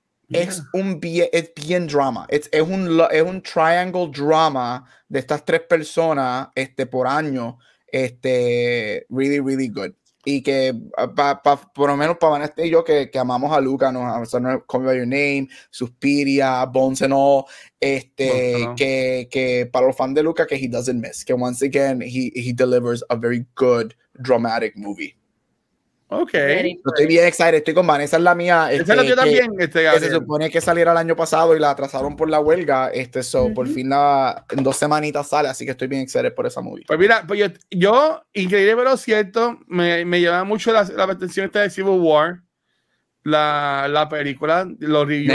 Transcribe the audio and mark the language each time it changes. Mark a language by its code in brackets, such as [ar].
[es] Es bien drama. Es un triangle drama de estas tres personas por año. [en] Really, really good. [es] Y que por lo menos para Vanessa y yo que amamos a Luca, ¿no? O sea, Call Me By Your Name, Suspiria, Bones and All. Que para los fans de Luca, que [en] he doesn't miss. Que once again, he delivers a very good dramatic movie. Okay. [es] Estoy bien excited, estoy con Vanessa, es la mía. Esa es la mía también. Que se supone que saliera el año pasado y la atrasaron por la huelga. Por fin en dos semanitas sale, así que estoy bien excited por esa movie. Pues mira, pues yo increíble, pero cierto, me llama mucho la atención esta de Civil War, la película, los reviews.